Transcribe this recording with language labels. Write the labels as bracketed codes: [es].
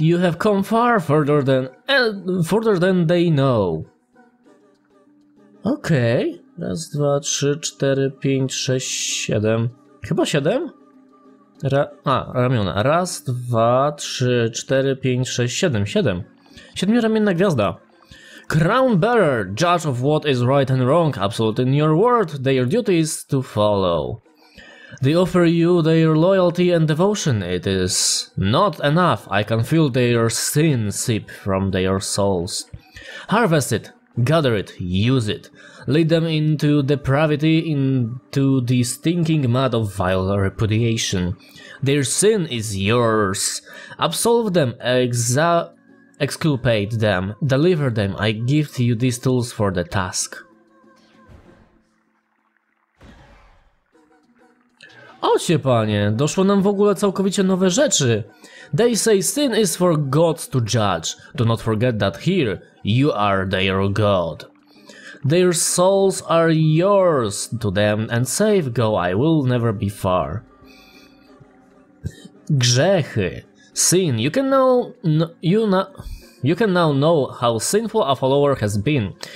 [en] You have come far further than they know. [pl] Okej. Raz, dwa, trzy, cztery, pięć, sześć, siedem. Chyba siedem? Ramiona. Raz, dwa, trzy, cztery, pięć, sześć, siedem. Siedem. Siedmioramienna gwiazda. [en] Crown Bearer, judge of what is right and wrong, absolute in your word, their duty is to follow. They offer you their loyalty and devotion. It is not enough. I can feel their sin seep from their souls. Harvest it. Gather it, use it, lead them into depravity, into the stinking mud of vile repudiation. Their sin is yours. Absolve them, exculpate them, deliver them. I gift you these tools for the task. [pl] Ocie panie, doszło nam w ogóle całkowicie nowe rzeczy. [en] They say sin is for gods to judge. Do not forget that here. You are their god. Their souls are yours to them and safe go, I will never be far. [pl] Grzechy. [en] Sin. You can now know how sinful a follower has been.